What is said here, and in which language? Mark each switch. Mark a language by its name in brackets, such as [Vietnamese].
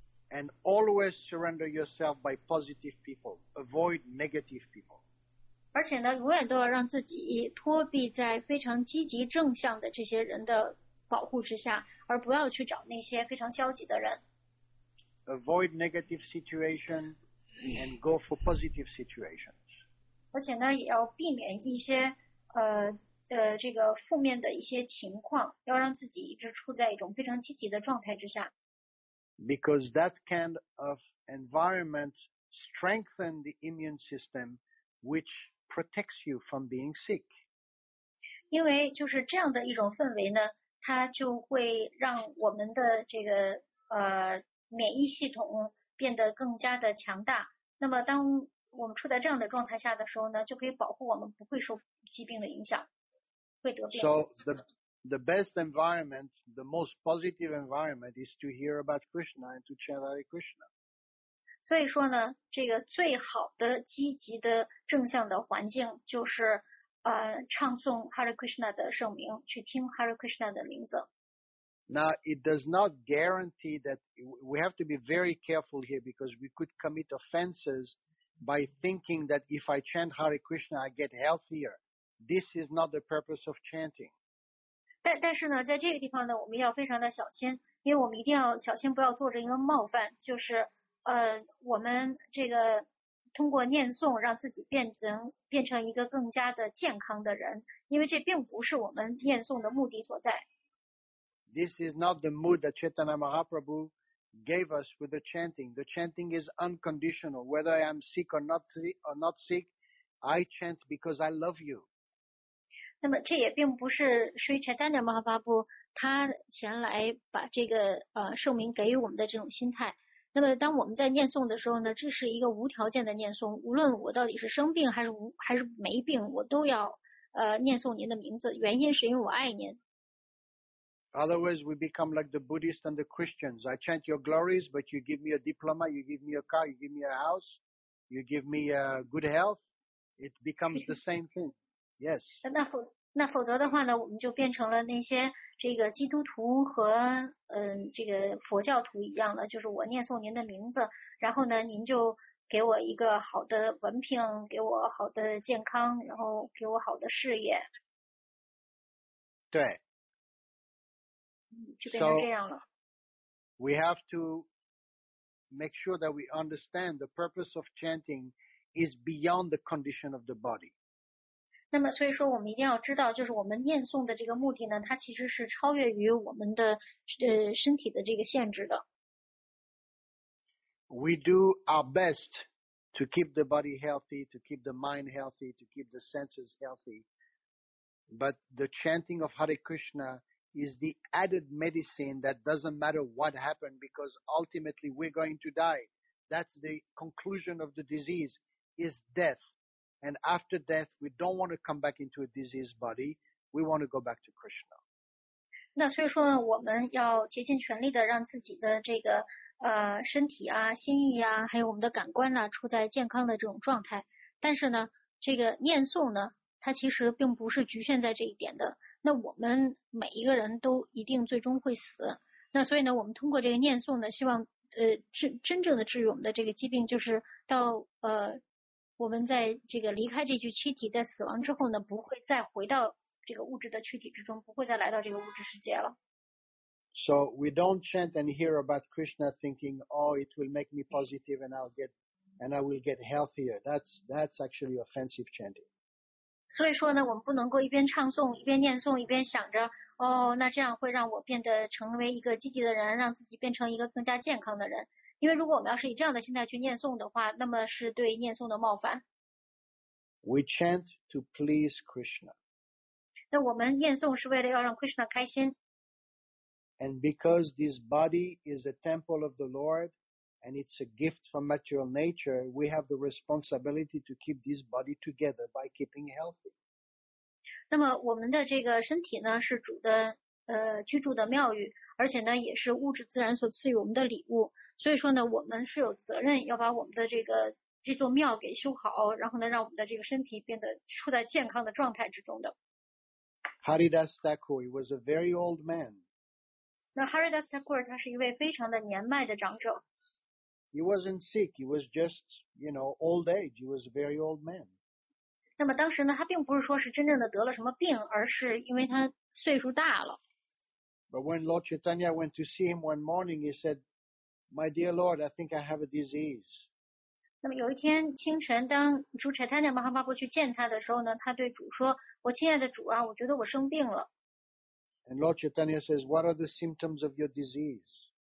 [English] And always surrender yourself by positive people. Avoid negative people. [Chinese] 而且呢，永远都要让自己脱避在非常积极正向的这些人的保护之下，而不要去找那些非常消极的人。 [English] Avoid negative situation and go for positive situations. [Chinese] 而且呢，也要避免一些这个负面的一些情况，要让自己一直处在一种非常积极的状态之下。 [English] Because that kind of environment strengthens the immune system, which protects you from being sick. [Chinese] 因为就是这样的一种氛围呢，它就会让我们的这个免疫系统变得更加的强大。那么当我们处在这样的状态下的时候呢，就可以保护我们不会受疾病的影响，会得病。 [English] So the best environment, the most positive environment, is to hear about Krishna and to chant Hare Krishna. [Chinese] 所以说呢，这个最好的积极的正向的环境就是唱诵 Hare Krishna 的圣名，去听 Hare Krishna 的名字。 [English] Now, it does not guarantee that we have to be very careful here because we could commit offenses by thinking that if I chant Hare Krishna, I get healthier. This is not the purpose of chanting. [Chinese] 但是呢，在这个地方呢，我们要非常的小心，因为我们一定要小心，不要做着一个冒犯，就是，我们这个通过念诵让自己变成一个更加的健康的人，因为这并不是我们念诵的目的所在。 [English] This is not the mood that Chaitanya Mahaprabhu gave us with the chanting. The chanting is unconditional. Whether I am sick or not sick, I chant because I love you. [Chinese] 那么这也并不是 Sri Chaitanya Mahaprabhu 他前来把这个寿命给予我们的这种心态。那么当我们在念诵的时候呢，这是一个无条件的念诵，无论我到底是生病还是没病，我都要念诵您的名字，原因是因为我爱您。 [English] Otherwise, we become like the Buddhists and the Christians. I chant your glories, but you give me a diploma, you give me a car, you give me a house, you give me good health. It becomes the same thing. Yes. [Chinese] 那否则的话呢，我们就变成了那些这个基督徒和这个佛教徒一样了，就是我念诵您的名字，然后呢，您就给我一个好的文凭，给我好的健康，然后给我好的事业。对。 [English] So, we have to make sure that we understand the purpose of chanting is beyond the condition of the body. [Chinese] 那么所以说我们一定要知道就是我们念诵的这个目的呢它其实是超越于我们的身体的这个限制的。 [English] We do our best to keep the body healthy, to keep the mind healthy, to keep the senses healthy. But the chanting of Hare Krishna is the added medicine that doesn't matter what happened because ultimately we're going to die. That's the conclusion of the disease, is death. And after death, we don't want to come back into a diseased body. We want to go back to Krishna. [Chinese] 那所以说呢，我们要竭尽全力的让自己的这个身体啊、心意啊，还有我们的感官呢、啊，处在健康的这种状态。但是呢，这个念诵呢，它其实并不是局限在这一点的。那我们每一个人都一定最终会死。那所以呢，我们通过这个念诵呢，希望真正的治愈我们的这个疾病，就是到我们在这个离开这具躯体，在死亡之后呢，不会再回到这个物质的躯体之中，不会再来到这个物质世界了。 [English] So we don't chant and hear about Krishna thinking, oh, it will make me positive and I will get healthier. That's actually offensive chanting. [Chinese] 所以说呢，我们不能够一边唱诵一边念诵一边想着哦，那这样会让我变得成为一个积极的人，让自己变成一个更加健康的人。因为如果我们要是以这样的心态去念诵的话，那么是对念诵的冒犯。 [English] We chant to please Krishna. [Chinese] 那我们念诵是为了要让 Krishna 开心。 [English] And because this body is a temple of the Lord and it's a gift from material nature, we have the responsibility to keep this body together by keeping healthy. [Chinese] 那么我们的这个身体呢是主的居住的庙宇，而且呢也是物质自然所赐予我们的礼物，所以说呢我们是有责任要把我们的这座庙给修好，然后呢让我们的这个身体变得处在健康的状态之中的。 [English] Haridas Thakur was a very old man. [Chinese] 那 Haridas Thakur 他是一位非常的年迈的长者。 [English] He wasn't sick. He was just, you know, old age. He was a very old man. [Chinese] 那么当时呢，他并不是说是真正的得了什么病，而是因为他岁数大了。 [English] But when Lord Chaitanya went to see him one morning, he said, "My dear Lord, I think I have a disease." [Chinese] 那么有一天清晨，当主 Chaitanya Mahaprabhu 去见他的时候呢，他对主说：“我亲爱的主啊，我觉得我生病了。 [English] ”And Lord Chaitanya says, "What are the symptoms of your disease?"